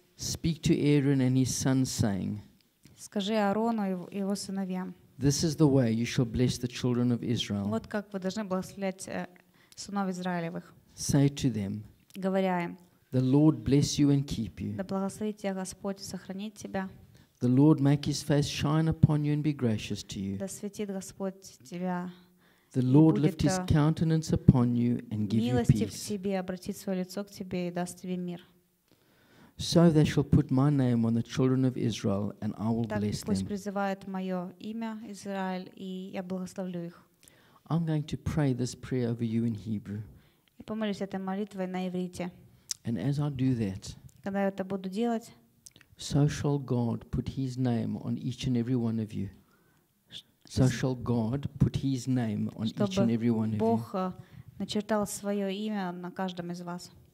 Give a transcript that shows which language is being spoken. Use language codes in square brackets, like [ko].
[en] Speak to Aaron and his sons, saying. [ru] Скажи Аарону и его сыновьям. [en] This is the way you shall bless the children of Israel. [ru] Вот как вы должны благословлять сынов Израилевых. [en] Say to them. [ru] Говоря им. [en] The Lord bless you and keep you. [ru] Да благословит тебя Господь и сохранит тебя. [en] The Lord make His face shine upon you and be gracious to you. [ru] Да светит Господь тебя. [en] The Lord lift His countenance upon you and give you peace. [ru] Милостив к тебе, обратит свое лицо к тебе и даст тебе мир. [en] So they shall put My name on the children of Israel, and I will bless them. [ru] Так пусть призывают Мое имя Израиль, и я благословлю их. [en] I'm going to pray this prayer over you in Hebrew. [ru] Я помолюсь этой молитвой на иврите. [en] And as I do that, [ru] когда я это буду делать, [en] so shall God put His name on each and every one of you. So shall God put His name on each and every one of you. [ru] Чтобы Бог начертал свое имя на каждом из вас.